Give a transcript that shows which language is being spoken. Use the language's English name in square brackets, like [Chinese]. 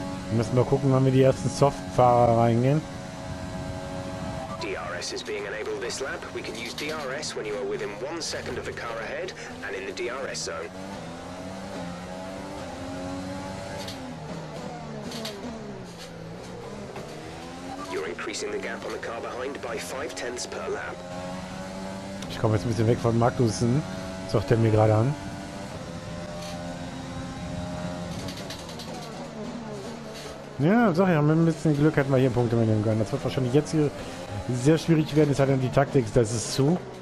[German] Wir müssen mal gucken, wann wir die ersten Softfahrer reingehen. [English] DRS is being enabled this lap. We can use DRS when you are within one second of the car ahead and in the DRS zone. You're increasing the gap on the car behind by 5/10 per lap. [German] Ich komme jetzt ein bisschen weg von Magnussen. Sagt er mir gerade an. Ja, sag ja, mit ein bisschen Glück hätten wir hier Punkte mitnehmen können. Das wird wahrscheinlich jetzt hier sehr schwierig werden. Es hat dann die Taktik, das ist zu.